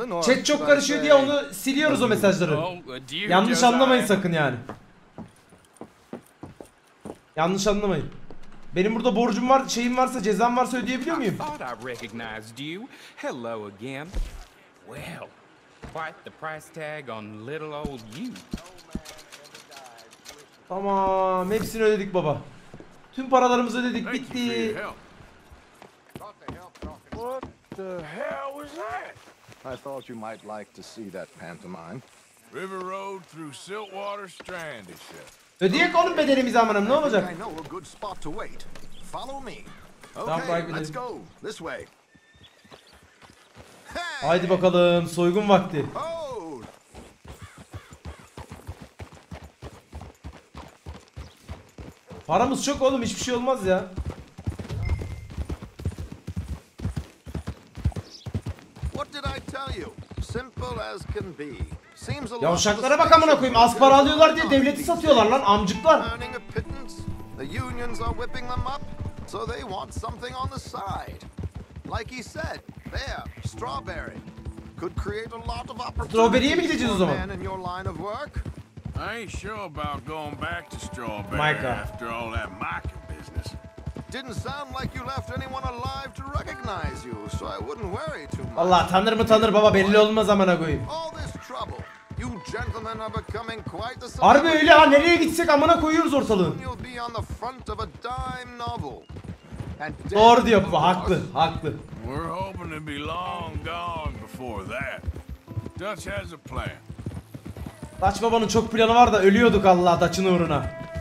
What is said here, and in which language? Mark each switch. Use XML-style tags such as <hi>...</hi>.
<tr>Chat çok karışıyor diye onu siliyoruz o mesajları. Yanlış anlamayın sakın yani. Yanlış anlamayın. Benim burada borcum var, şeyim varsa, cezam varsa ödeyebiliyor muyum?</tr> <en>I recognized you. Hello again. Well, quite the price tag on little old you.</en> <tr>Tamam, hepsini ödedik baba. Tüm paralarımızı ödedik, bitti.</tr> <en>What the hell was that? I thought you might like to see that pantomime. River road through Siltwater Strand.</en> <tr>Ödeyek onun bedelimizi amanım, ne olacak?</tr> <en>I know a good spot to wait. Follow me. Okay, let's go. This way.</en> <tr>Haydi bakalım, soygun vakti. Paramız çok oğlum, hiçbir şey olmaz ya.</tr> <en>What did I tell you? Simple as can be.</en> <tr>Ya uşaklara bak amına koyayım, az para alıyorlar diye devleti satıyorlar lan amcıklar.</tr> <en>The unions are whipping them up, so they want something on the side. Like he said, there, strawberry. Could create a lot of opportunities for a man in your line of work. I ain't sure about going back to strawberry after all that market business. Didn't sound like you left anyone alive to recognize you, so I wouldn't worry too much.</en> <tr>Allah tanır mı tanır baba, belli olmaz amına koyayım.</tr> <en>All this trouble. You gentlemen are becoming quite the</en> <tr>harbi öyle ha, nereye gitsek amına koyuyoruz ortalığı.</tr> <en>You'll be on the front of a dime novel.</en> <tr>Doğru diyor bu, haklı, haklı.</tr> <en>We're hoping to be long gone before that. Dutch has a plan.</en> <tr>Dutch babanın çok planı var da ölüyorduk Allah Dutch'ın uğruna.</tr>